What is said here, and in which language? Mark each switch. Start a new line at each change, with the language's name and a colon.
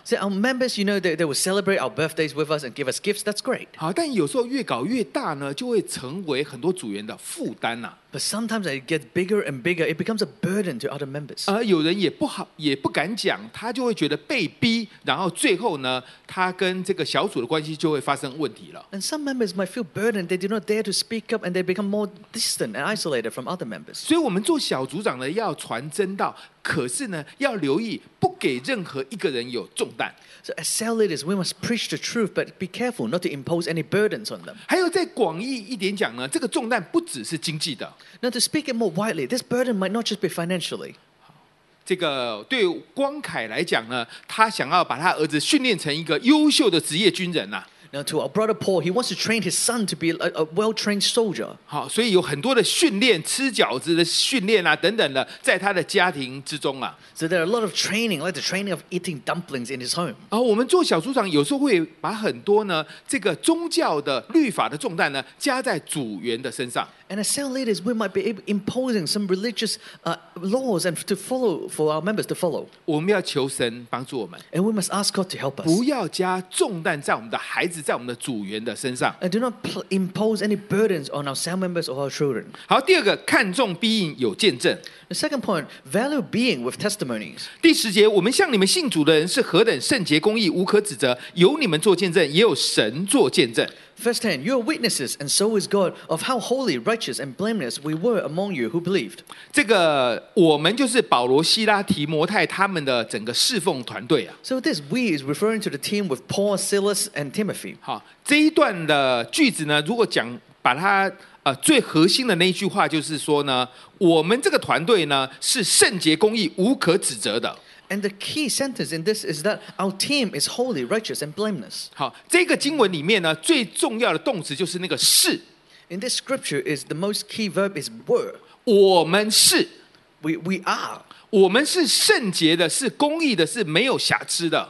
English: So our members, you know, they will celebrate our birthdays with us and give us gifts. That's great.
Chinese: 好，但有时候越搞越大呢，就会成为很多组员的负担呐。
English: But sometimes it gets bigger and bigger. It becomes a burden to other members.
Chinese: 有人也不好，也不敢讲，他就会觉得被逼，然后最后呢，他跟这个小组的关系就会发生问题了。
English: And some members might feel burdened. They do not dare to speak up, and they become more distant and isolated from other members.
Chinese: 所以我们做小组长呢，要传真道，可是呢，要留意不给任何一个人有重担。
English: So as cell leaders, we must preach the truth, but be careful not to impose any burdens on them.
Chinese: 还有在广义一点讲呢，这个重担不只是经济的。
English: Now to speak it more widely, this burden might not just be financially.
Chinese: 这个对光凯来讲呢，他想要把他儿子训练成一个优秀的职业军人呐。
English: Now to our brother Paul, he wants to train his son to be a well-trained soldier.
Chinese: 好，所以有很多的训练，吃饺子的训练啊，等等的，在他的家庭之中啊。
English: So there are a lot of training, like the training of eating dumplings in his home.
Chinese: 啊，我们做小组长有时候会把很多呢，这个宗教的律法的重担呢，加在组员的身上。
English: And as cell leaders, we might be imposing some religious laws and to follow for our members to follow.
Chinese: 我们要求神帮助我们。
English: And we must ask God to help us.
Chinese: 不要加重担在我们的孩子，在我们的组员的身上。
English: And do not impose any burdens on our cell members or our children.
Chinese: 好，第二个，看重 being 有见证。
English: The second point, value being with testimonies.
Chinese: 第十节，我们向你们信主的人是何等圣洁公义，无可指责，有你们做见证，也有神做见证。
English: Verse 10, you are witnesses, and so is God, of how holy, righteous, and blameless we were among you who believed.
Chinese: 这个我们就是保罗、希拉、提摩太他们的整个侍奉团队啊。
English: So this we is referring to the team with Paul, Silas, and Timothy.
Chinese: 好，这一段的句子呢，如果讲把它最核心的那一句话，就是说呢，我们这个团队呢是圣洁、公义、无可指责的。
English: And the key sentence in this is that our team is holy, righteous, and blameless.
Chinese: 好，这个经文里面呢，最重要的动词就是那个是。
English: In this scripture, is the most key verb is were.
Chinese: 我们是。
English: We are.
Chinese: 我们是圣洁的，是公义的，是没有瑕疵的。